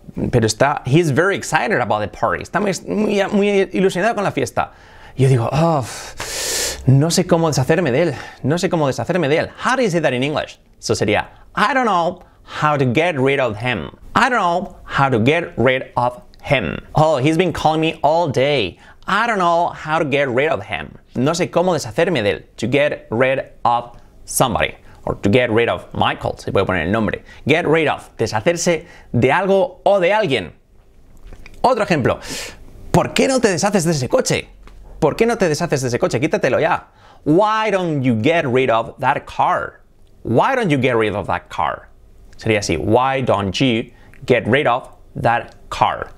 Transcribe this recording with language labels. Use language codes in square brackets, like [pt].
[es] Pero está, [en] he's very excited about the party. [es] Está muy ilusionado con la fiesta. Yo digo, oh, no sé cómo deshacerme de él. No sé cómo deshacerme de él. [en] How do you say that in English? So sería, I don't know how to get rid of him. I don't know how to get rid of him. Oh, he's been calling me all day. I don't know how to get rid of him. [es] No sé cómo deshacerme de él. [en] To get rid of somebody. Or to get rid of Michael, [es] se puede poner el nombre. Get rid of, deshacerse de algo o de alguien. Otro ejemplo. ¿Por qué no te deshaces de ese coche? ¿Por qué no te deshaces de ese coche? Quítatelo ya. [en] Why don't you get rid of that car? Why don't you get rid of that car? [es] Sería así. [en] Why don't you get rid of that car?